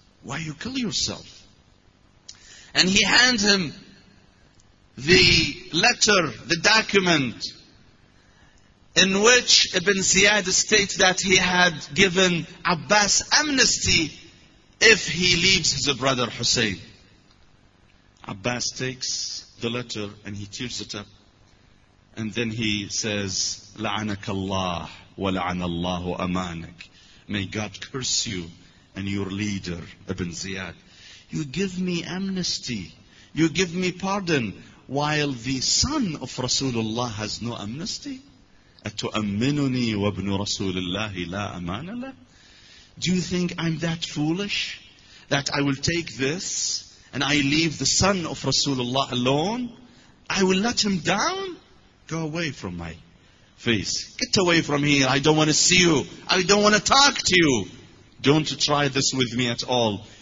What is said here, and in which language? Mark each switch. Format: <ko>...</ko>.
<en>Why you kill yourself? And he hands him the letter, the document, in which Ibn Ziyad states that he had given Abbas amnesty if he leaves his brother Hussein. Abbas takes the letter and he tears it up. And then he says,</en> <ar>لعنك الله ولعن الله أمانك.</ar> <en>May God curse you and your leader, Ibn Ziyad. You give me amnesty. You give me pardon. While the son of Rasulullah has no amnesty.</en> <ar>أتؤمنني وابن رسول الله لا أمان له.</ar> <en>Do you think I'm that foolish that I will take this and I leave the son of Rasulullah alone? I will let him down? Go away from my face. Get away from here. I don't want to see you. I don't want to talk to you. Don't try this with me at all.</en>